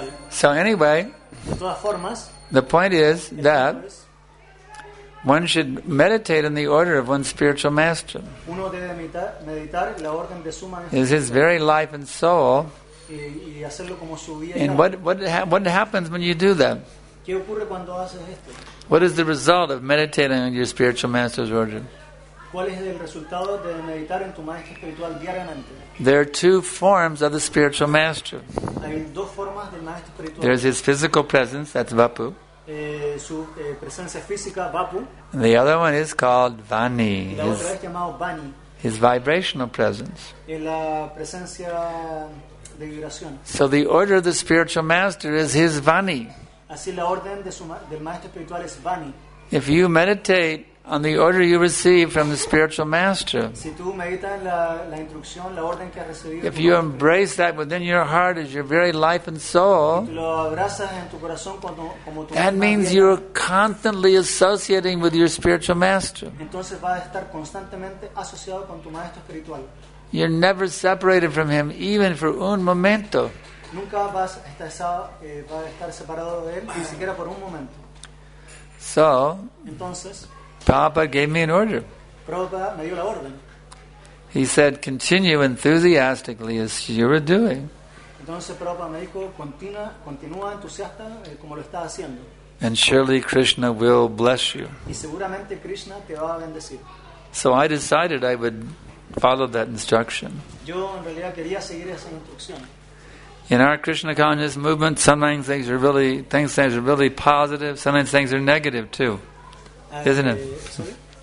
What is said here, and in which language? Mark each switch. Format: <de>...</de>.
<en>So anyway, the point is that one should meditate on the order of one's spiritual master.</en> <es>Uno debe meditar la orden de su maestro.</es> <en>Is his very life and soul.</en> <es>Y hacerlo como su vida.</es> <en>And what happens when you do that?</en> <es>¿Qué ocurre cuando haces esto?</es> <en>What is the result of meditating on your spiritual master's order?</en> <es>¿Cuál es el resultado de meditar en tu maestro espiritual diariamente?</es> <en>There are two forms of the spiritual master.</en> <es>Hay dos formas del maestro espiritual.</es> <en>There's his physical presence, that's Vapu.</en> <es>Presencia física, Vapu.</es> <en>And the other one is called Vani.</en> <es>La otra es llamado Vani.</es> <en>His vibrational presence.</en> <es>La presencia de vibración.</es> <en>So the order of the spiritual master is his Vani.</en> <es>Así la orden de del maestro espiritual es Vani.</es> <en>If you meditate on the order you receive from the spiritual master,</en> <es>si tú meditas en la instrucción, la orden que has recibido,</es> <en>if you embrace that within your heart as your very life and soul,</en> <es>lo abrazas en tu corazón como tu</es> <en>that means you are constantly associating with your spiritual master.</en> <es>Entonces vas a estar constantemente asociado con tu maestro espiritual.</es> <en>You're never separated from him, even for</en> <es>un momento. Nunca vas a estar separado de él, ni siquiera por un momento.</es> <en>So,</en> <es>entonces,</es> <en>Prabhupada gave me an order.</en> <es>Prabhupada me dio la orden.</es> <en>He said, continue enthusiastically as you were doing.</en> <es>Entonces Prabhupada me dijo, continúa entusiasta como lo estás haciendo.</es> <en>And surely Krishna will bless you.</en> <es>Y seguramente Krishna te va a bendecir.</es> <en>So I decided I would follow that instruction.</en> <es>Yo en realidad quería seguir esa instrucción.</es> <en>In our Krishna consciousness movement, sometimes things are really positive, sometimes things are negative too. Isn't it?</en>